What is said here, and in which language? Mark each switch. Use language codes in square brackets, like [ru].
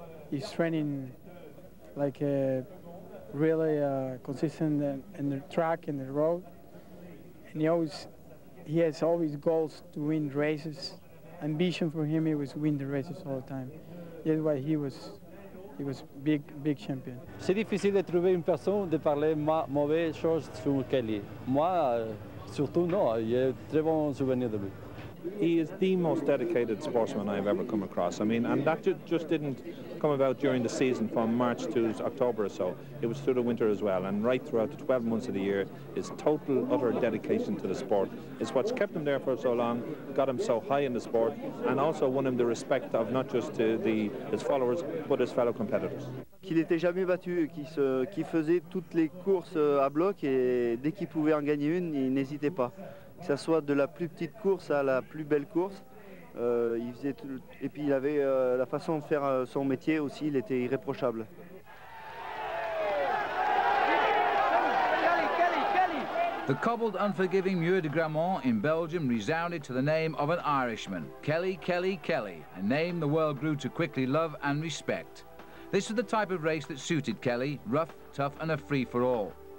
[en] He's training like a really consistent in the track and the road, and he has always goals to win races. Ambition for him, he was win the races all the time. That's why he was big champion. [fr] C'est difficile de trouver une personne de parler mauvais choses sur Kelly. Moi, surtout non. J'ai très bon souvenir de lui. [en] He is the most dedicated sportsman I've ever come across. I mean, and that just didn't come about during the season from March to October or so. It was through the winter as well. And right throughout the 12 months of the year, his total, utter dedication to the sport is what's kept him there for so long, got him so high in the sport, and also won him the respect of not just his followers, but his fellow competitors. [fr] Qu'il n'était jamais battu, qu'il faisait toutes les courses à bloc, et dès qu'il pouvait en gagner une, il n'hésitait pas. Que ce soit de la plus petite course à la plus belle course, il faisait tout, et puis il avait la façon de faire son métier aussi, il était irréprochable. [en] The cobbled, unforgiving Muir de Gramont in Belgium resounded to the name of an Irishman, Kelly, Kelly, Kelly, a name the world grew to quickly love and respect. This is the type of race that suited Kelly, rough, tough and a free-for-all.